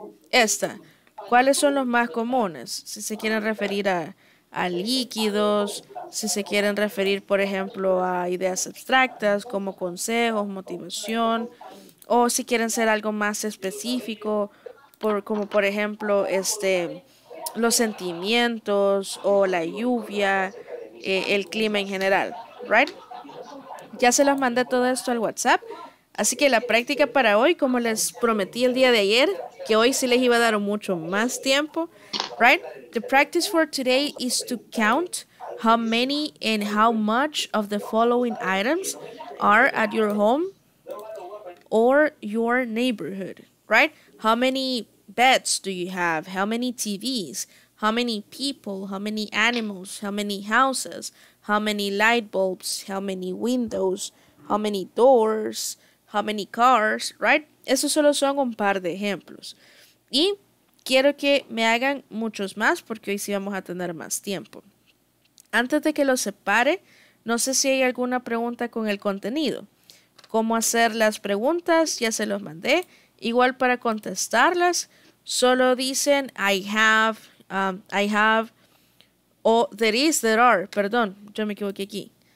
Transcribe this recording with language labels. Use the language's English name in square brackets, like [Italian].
[Spanish] Esta. ¿Cuáles son los más comunes? Si se quieren referir a líquidos, si se quieren referir, por ejemplo, a ideas abstractas como consejos, motivación, o si quieren ser algo más específico, por, como por ejemplo, este, los sentimientos o la lluvia, el clima en general, ¿right? Ya se los mandé todo esto al WhatsApp. Así que la práctica para hoy, como les prometí el día de ayer, que hoy sí les iba a dar mucho más tiempo, right? [English] The practice for today is to count how many and how much of the following items are at your home or your neighborhood, right? How many beds do you have? How many TVs? How many people? How many animals? How many houses? How many light bulbs, how many windows, how many doors, how many cars, right? [Spanish] Esos solo son un par de ejemplos. Y quiero que me hagan muchos más porque hoy sí vamos a tener más tiempo. Antes de que los separe, no sé si hay alguna pregunta con el contenido. ¿Cómo hacer las preguntas? Ya se los mandé. Igual para contestarlas, solo dicen [English] I have, [Spanish] o [English] there are, [Spanish] perdón, yo me equivoqué aquí.